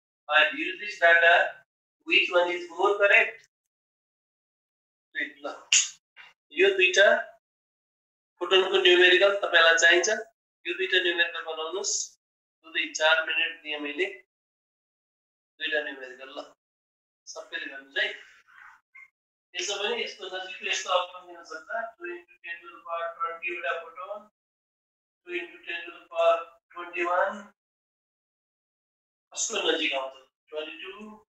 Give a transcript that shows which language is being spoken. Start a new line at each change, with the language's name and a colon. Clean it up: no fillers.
English: I use this data, which one is more correct?
Nepali: यो दुईटा फोटोनको numerical तपाईँलाई चाहिन्छ, यो दुईटा न्युमेरिकल बनाउनुहोस्। दुई चार मिनट दिएँ मैले दुईटा न्युमेरिकल, ल सबैले गर्नुहोस् है। त्यसो भने यसको नजिकले यस्तो अप्सन दिन सक्छ, 2 × 10^20 एउटा फोटोन, 2 × 10^21 कसको नजिक आउँछ, 22